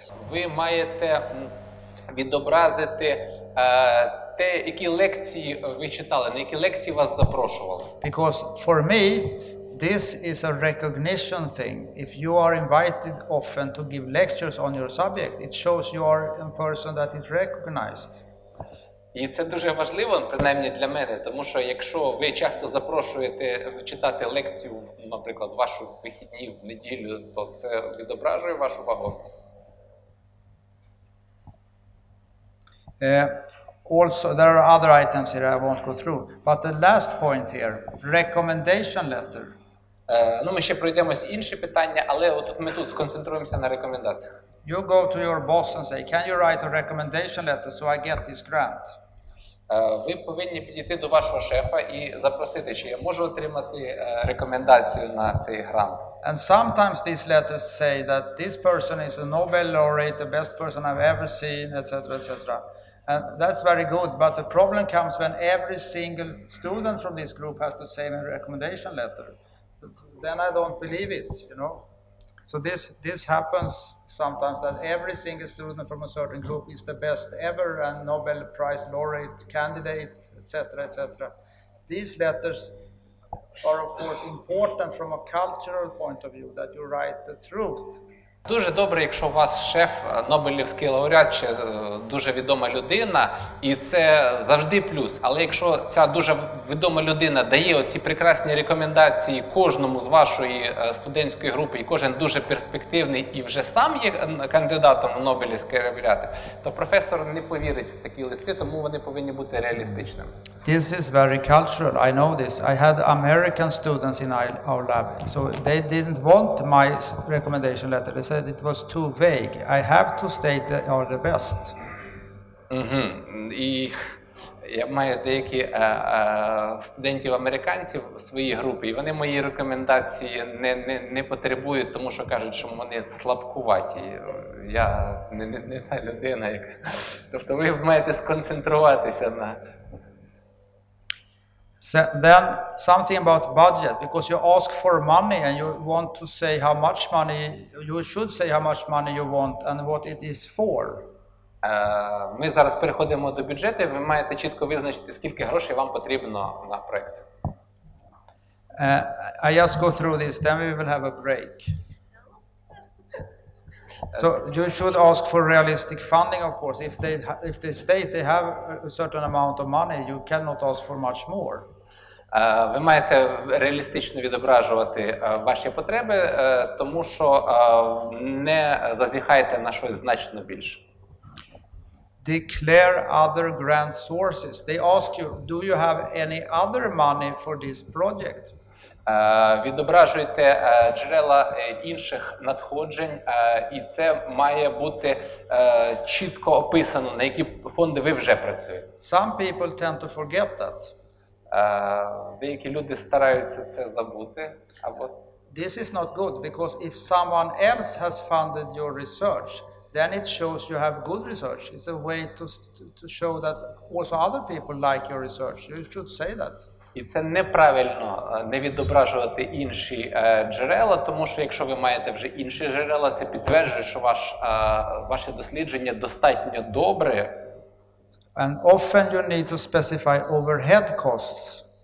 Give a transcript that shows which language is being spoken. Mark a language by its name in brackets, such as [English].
[Ukrainian] Ви маєте відобразити те, які лекції ви читали, на які лекції вас запрошували. [English] Because for me, this is a recognition thing. If you are invited often to give lectures on your subject, it shows you are a person that is recognized. [Ukrainian] І це дуже важливо, принаймні для мене, тому що якщо ви часто запрошуєте читати лекцію, наприклад, вашу вихідні в неділю, то це відображує вашу вагу. [English] Also, there are other items here I won't go through, but the last point here, recommendation letter. [Ukrainian] Ми ще пройдемось інші питання, але отут ми тут сконцентруємося на рекомендаціях. [English] You go to your boss and say, can you write a recommendation letter so I get this grant? [Ukrainian] Ви повинні підійти до вашого шефа і запросити, чи я можу отримати рекомендацію на цей грант. [English] And sometimes these letters say that this person is a Nobel laureate, the best person I've ever seen, etc., etc. And that's very good, but the problem comes when every single student from this group has the same recommendation letter. Then I don't believe it, you know. So this happens sometimes that every single student from a certain group is the best ever and Nobel Prize laureate candidate, etc., etc. These letters are of course important from a cultural point of view that you write the truth. [Ukrainian] Дуже добре, якщо у вас шеф Нобелівський лауреат чи дуже відома людина, і це завжди плюс. Але якщо ця дуже відома людина дає оці прекрасні рекомендації кожному з вашої студентської групи, і кожен дуже перспективний і вже сам є кандидатом в Нобелівські лауреати, то професор не повірить в такі листи, тому вони повинні бути реалістичними. [English] This is very cultural. I know this. I had American students in our lab, so they didn't want my recommendation letter. They said it was too vague. I have to state that are the best. Mm-hmm. [Ukrainian] І я маю деякі студентів-американців в своїй групі, і вони мої рекомендації не потребують, тому що кажуть, що вони слабкуваті. Я не та людина, яка... Тобто ви маєте сконцентруватися на... [English] So then something about budget, because you ask for money and you want to say how much money, you should say how much money you want and what it is for. [Ukrainian] Ми зараз переходимо до бюджету, ви маєте чітко визначити, скільки грошей вам потрібно на проект. [English] I just go through this, then we will have a break. So you should ask for realistic funding, of course. If they state they have a certain amount of money, you cannot ask for much more. [Ukrainian] Ви маєте реалістично відображувати ваші потреби, тому що не зазіхаєте на щось значно більше. [English] Declare other grant sources. They ask you, do you have any other money for this project? [Ukrainian] Відображуйте джерела інших надходжень, і це має бути чітко описано, на які фонди ви вже працюєте. [English] Some people tend to forget that. [Ukrainian] Деякі люди стараються це забути, або... [English] This is not good, because if someone else has funded your research, then it shows you have good research. It's a way to show that also other people like your research. You should say that. [Ukrainian] І це неправильно не відображувати інші джерела, тому що якщо ви маєте вже інші джерела, це підтверджує, що ваше дослідження достатньо добре. [English] And often you need to specify overhead costs.